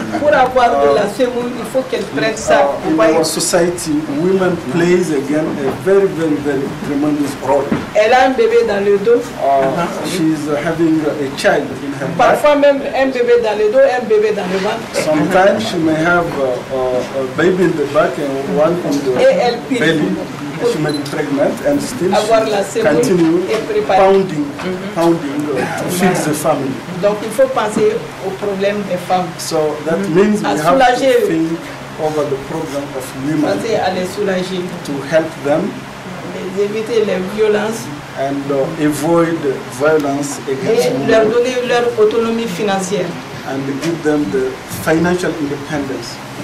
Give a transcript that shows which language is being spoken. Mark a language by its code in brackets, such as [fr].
[fr] Pour avoir de la semoule, il faut qu'elle prenne ça. [en] In our society, women play again a very, very, very tremendous role. [fr] Elle a un bébé dans le dos. [en] She's having a child in her back. [fr] Parfois même un bébé dans le dos, un bébé dans le ventre. [en] Sometimes she may have a baby in the back and one on the belly. She may be pregnant and still continue pounding to feed the family. [fr] Donc il faut penser au problème des femmes. [en] So that means we have to think over the problem of women [fr] à les soulager, [en] to help them [fr] éviter les violences [en] and avoid violence against [fr] et leur donner leur autonomie financière [en] and give them the financial independence.